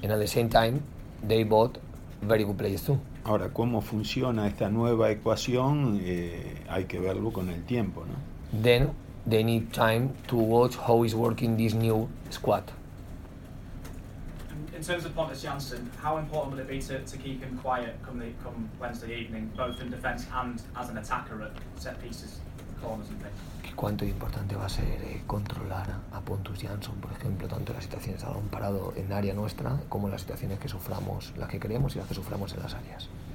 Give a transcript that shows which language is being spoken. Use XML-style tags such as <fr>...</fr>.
<en>And at the same time, they bought very good players too.</en> <es>Ahora, cómo funciona esta nueva ecuación, hay que verlo con el tiempo, ¿no?</es> <en>Then they need time to watch how is working this new squad. In terms of Pontus Janssen, how important will it be to keep him quiet come Wednesday evening, both in defence and as an attacker at set pieces, corners and things?</en> <es>¿Cuánto importante va a ser controlar a Pontus Janssen, por ejemplo, tanto las situaciones a balón parado en área nuestra, como las situaciones que suframos, las que creemos y las que suframos en las áreas?</es>